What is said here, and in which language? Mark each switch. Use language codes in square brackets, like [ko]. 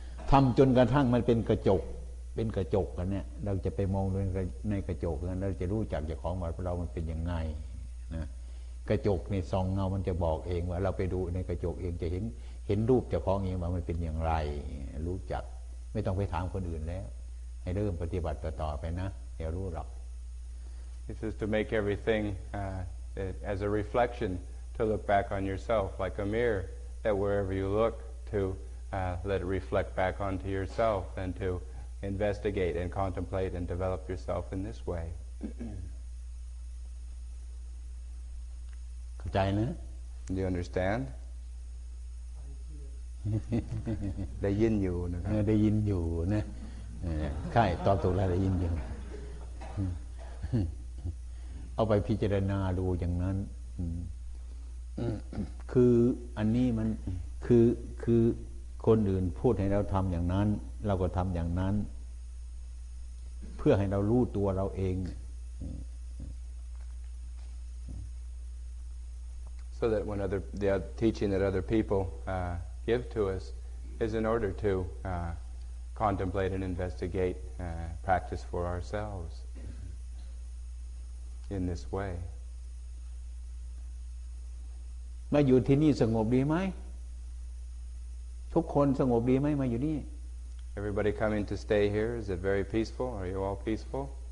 [th] ทำจนกระทั่งมันเป็นกระจกเป็นกระจกกันเนี่ยเราจะไปมองในกระจกนั้นเราจะรู้จักเจ้าของว่าเรามันเป็นยังไงนะกระจกนี่ส่องเงามันจะบอกเองว่าเราไปดูในกระจกเองจะเห็นรูปเจ้าของเองว่ามันเป็นอย่างไรรู้จักไม่ต้องไปถามคนอื่นแล้วให้เริ่มปฏิบัติต่อไปนะเดี๋ยวรู้หรอก [en] This is to make everything as a reflection to look back on yourself like a mirror that wherever you lookto let it reflect back onto yourself and to investigate and contemplate and develop yourself in this way. [th] เข้าใจนะ [en] Do you understand? [th] ได้ยินอยู่นะครับได้ยินอยู่นะค่ายตอบถูกแล้วได้ยินอยู่เอาไปพิจารณาดูอย่างนั้นคืออันนี้มันคือคนอื่นพูดให้เราทำอย่างนั้นเราก็ทำอย่างนั้นเพื่อให้เรารู้ตัวเราเอง [en] so that when the teaching that other people give to us is in order to contemplate and investigate practice for ourselves in this way [th] มาอยู่ที่นี่สงบดีไหมทุกคนสงบดีไหมมาอยู่นี่ [en] Everybody coming to stay here is it very peaceful are you all peaceful